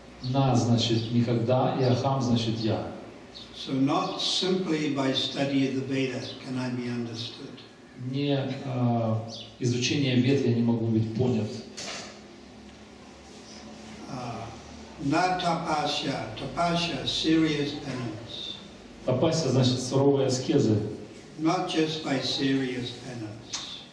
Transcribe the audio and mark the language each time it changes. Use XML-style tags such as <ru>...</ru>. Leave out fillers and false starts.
<ru>На значит никогда, и ахам значит я.</ru> <en>So not simply by study of the Veda can I be understood.</en> <ru>Не изучение Вед я не могу быть понят.</ru> <sa>На тапасья, тапасья,</sa> <en>serious penance.</en> <ru>Тапасья значит суровые аскезы.</ru> <en>Not just by serious penance.</en>